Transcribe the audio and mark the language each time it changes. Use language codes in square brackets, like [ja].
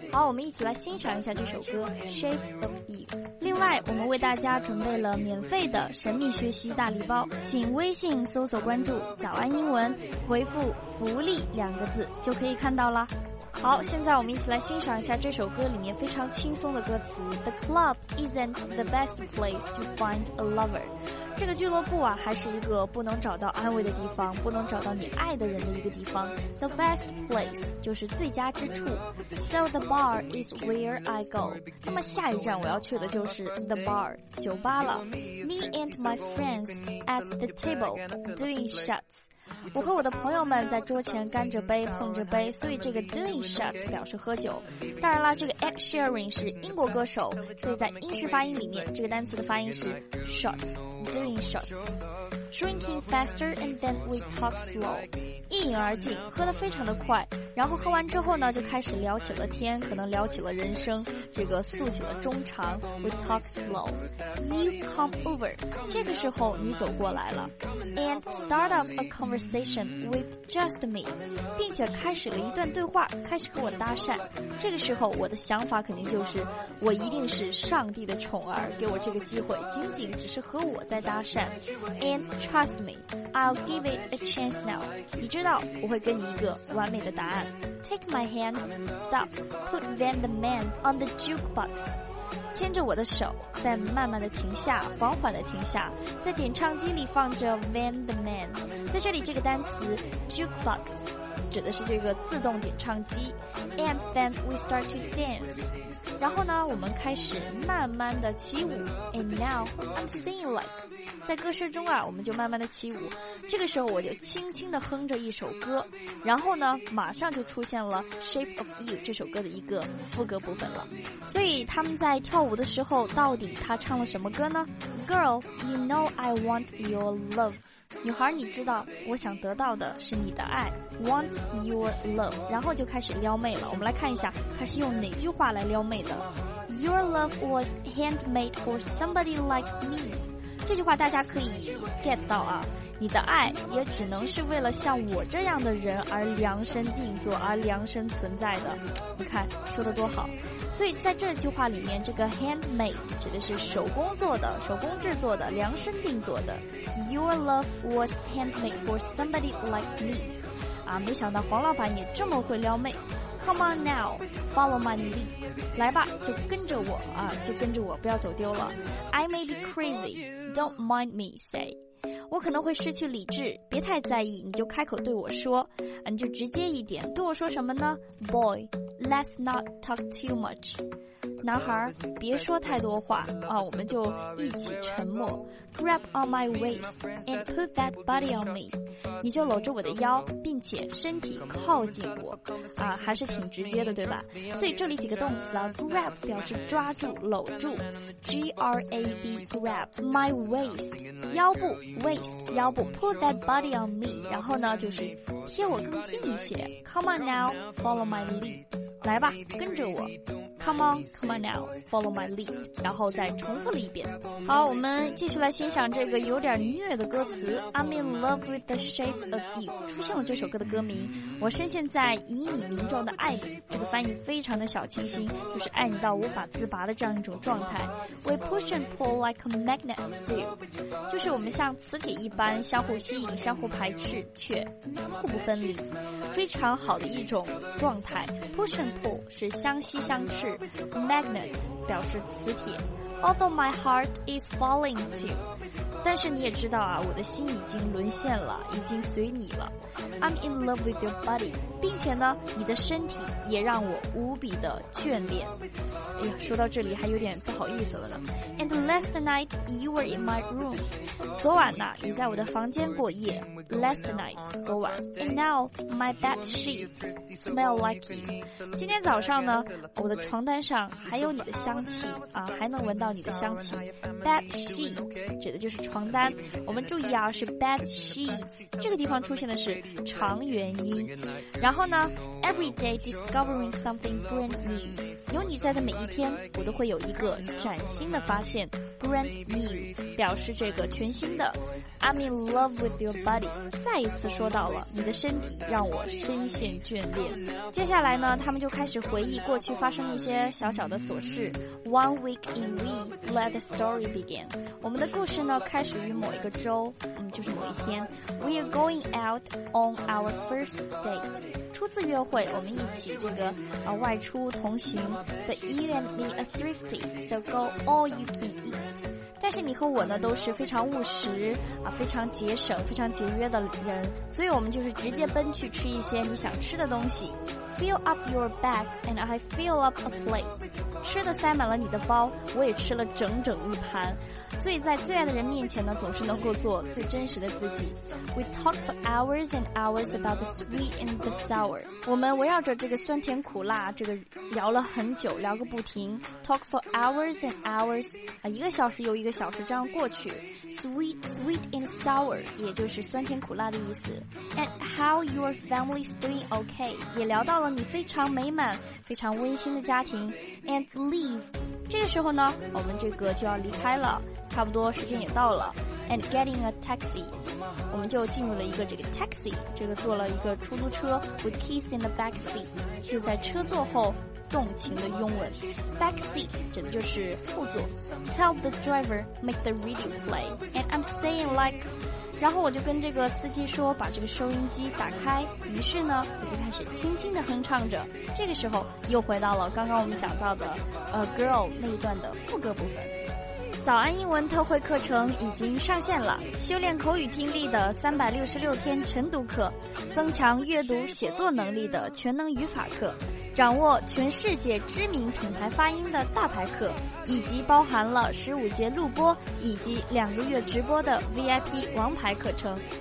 [zh] 好，我们一起来欣赏一下这首歌 Shape of You。另外，我们为大家准备了免费的神秘学习大礼包，请微信搜索关注早安英文，回复福利两个字就可以看到了。好，现在我们一起来欣赏一下这首歌里面非常轻松的歌词 [en] The club isn't the best place to find a lover， [zh] 这个俱乐部啊，还是一个不能找到安慰的地方，不能找到你爱的人的一个地方。 The best place 就是最佳之处， [en] So the bar is where I go， [zh] 那么下一站我要去的就是 the bar， 酒吧了。 [en] Me and my friends at the table doing shots， [zh] 我和我的朋友们在桌前干着杯碰着杯，所以这个 doing shots 表示喝酒。当然啦，这个 Ed Sheeran 是英国歌手，所以在英式发音里面这个单词的发音是 shot， doing shot。 [en] Drinking faster and then we talk slow， [zh] 一饮而尽，喝得非常的快，然后喝完之后呢就开始聊起了天，可能聊起了人生，这个诉起了衷肠。 [en] We talk slow， You come over， [zh] 这个时候你走过来了。 [en] And start up a conversation with just me， [zh] 并且开始了一段对话，开始跟我搭讪。这个时候我的想法肯定就是，我一定是上帝的宠儿，给我这个机会，仅仅只是和我在搭讪。 [en] And trust me， I'll give it a chance now， [zh] 你知道我会给你一个完美的答案。 [en] Take my hand, stop, put Van the Man on the jukebox， [zh] 牵着我的手，再慢慢的停下，缓缓的停下，在点唱机里放着 Van the Man。在这里这个单词 jukebox 指的是这个自动点唱机。 [en] And then we start to dance， [zh] 然后呢我们开始慢慢的起舞。 [en] And now I'm singing like， [zh] 在歌声中啊我们就慢慢的起舞。这个时候我就轻轻地哼着一首歌，然后呢马上就出现了 Shape of You 这首歌的一个副歌部分了。所以他们在跳舞的时候到底他唱了什么歌呢？ [en] Girl you know I want your love， [zh] 女孩你知道我想得到的是你的爱。 [en] Want your love， [zh] 然后就开始撩妹了。我们来看一下他是用哪句话来撩妹的。 [en] Your love was handmade for somebody like me， [zh] 这句话大家可以 get 到啊，你的爱也只能是为了像我这样的人而量身定做，而量身存在的。你看说得多好。所以在这句话里面，这个 handmade 指的是手工做的，手工制作的，量身定做的。 [en] Your love was handmade for somebody like me， [zh] 啊，没想到黄老板也这么会撩妹。 [en] Come on now follow my lead， [zh] 来吧就跟着我啊，就跟着我，不要走丢了。 [en] I may be crazy don't mind me say， [zh] 我可能会失去理智，别太在意，你就开口对我说，你就直接一点对我说什么呢？ [en] Boy let's not talk too much， [zh] 男孩别说太多话啊，我们就一起沉默。 [en] Grab on my waist and put that body on me， [zh] 你就搂着我的腰并且身体靠近我啊，还是挺直接的对吧。所以这里几个动词啊， grab 表示抓住搂住， G-R-A-B grab my waist腰部， waist 腰部， [en] put that body on me， [zh] 然后呢就是贴我更近一些。 [en] Come on now follow my lead， [zh] 来吧跟着我。 [en] Come on now follow my lead， [zh] 然后再重复了一遍。好，我们继续来欣赏这个有点虐的歌词。 [en] I'm in love with the shape of you， [zh] 出现了这首歌的歌名，我深陷在以你名状的爱里，这个翻译非常的小清新，就是爱你到无法自拔的这样一种状态。 [en] We push and pull like a magnet do， [zh] 就是我们像磁铁一般相互吸引相互排斥却互不分离，非常好的一种状态。 Push and pull 是相吸相斥， Magnet 表示磁铁。 [en] Although my heart is falling to you. [zh] 但是你也知道啊，我的心已经沦陷了，已经随你了。 [en] I'm in love with your body. [zh] 并且呢，你的身体也让我无比的眷恋。哎呀，说到这里还有点不好意思了呢。 [en] And last night you were in my room. [zh] 昨晚呢，你在我的房间过夜。 [en] Last night, [zh] 昨晚。 [en] And now my bed sheets smell like you. [zh] 今天早上呢，我的床单上还有你的香气啊，还能闻到你的香气。 Bed sheet 指的就是床单。我们注意啊，是 bed sheets 这个地方出现的是长元音。然后呢 [en] ，every day discovering something brand new。 [zh] 有你在的每一天，我都会有一个崭新的发现。 Brand new 表示这个全新的。 [en] I'm in love with your body. [zh] 再一次说到了你的身体让我深陷眷恋。接下来呢，他们就开始回忆过去发生一些小小的琐事。 [en] One week in Lee, let the story begin. [zh] 我们的故事呢，开始于某一个周，就是某一天。 [en] We are going out on our first date. [zh] 初次约会，我们一起这个外出同行。 [en] But you and me are thrifty, so go all you can eat. [zh] 但是你和我呢都是非常务实啊，非常节省非常节约的人，所以我们就是直接奔去吃一些你想吃的东西。 [en] Fill up your bag and I fill up a plate. [zh] 吃的塞满了你的包，我也吃了整整一盘。所以在最爱的人面前呢，总是能够做最真实的自己。 [en] We talk for hours and hours about the sweet and the sour. [zh] 我们围绕着这个酸甜苦辣这个聊了很久，聊个不停。 [en] Talk for hours and hours [zh] 啊，一个小时又一个小时这样过去。 Sweet and sour 也就是酸甜苦辣的意思。 [en] And how your family's doing okay [zh] 也聊到了你非常美满非常温馨的家庭。 [en] And leave [zh] 这个时候呢，我们这个就要离开了，差不多时间也到了。 [en] And getting a taxi, [zh] 我们就进入了一个这个 taxi, 这个坐了一个出租车。 [en] With kiss in the back seat, [zh] 就在车座后动情的拥吻。 Back seat 指的就是后座。 [en] Tell the driver make the radio play and I'm staying like, [zh] 然后我就跟这个司机说把这个收音机打开。于是呢，我就开始轻轻的哼唱着，这个时候又回到了刚刚我们讲到的 girl 那一段的副歌部分。早安英文特惠课程已经上线了，修炼口语听力的366天晨读课，增强阅读写作能力的全能语法课，掌握全世界知名品牌发音的大牌课，以及包含了15节录播以及两个月直播的 VIP 王牌课程。